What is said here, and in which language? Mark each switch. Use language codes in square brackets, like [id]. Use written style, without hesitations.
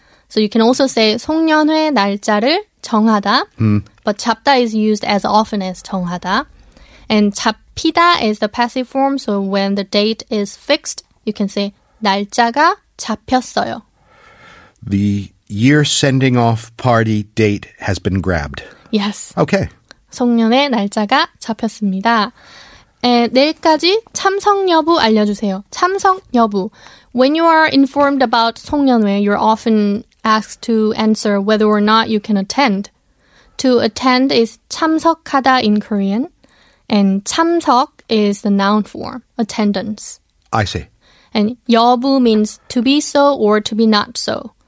[en] So you can also say [ko] 송년회 날짜를 정하다, [en] but 잡다 is used as often as 정하다. And 잡히다 is the passive form, so when the date is fixed, you can say [ko] 날짜가 잡혔어요. [en] The year sending off party date has been grabbed. Yes. Okay. [ko] 송년회 날짜가 잡혔습니다. 내일까지 참석 여부 알려주세요. 참석 여부. [en] When you are informed about 송년회, you're often asked to answer whether or not you can attend. To attend is 참석하다 in Korean. And 참석 is the noun form, attendance. I see. And 여부 means to be so or to be not so.